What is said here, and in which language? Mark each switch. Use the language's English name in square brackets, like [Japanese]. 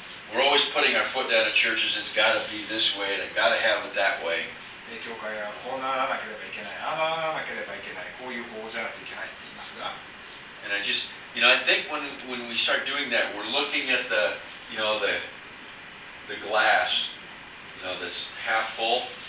[English] We're always putting our foot down at churches. It's got to be this way, and I've got to have it that way. [Japanese] 教会はこうならなければいけない。ああならなければいけない。こういう方法じゃなきゃいけないと言いますが。 [English] And I just, you know, I think when we start doing that, we're looking at the, you know, the, the glass, you know, that's half full.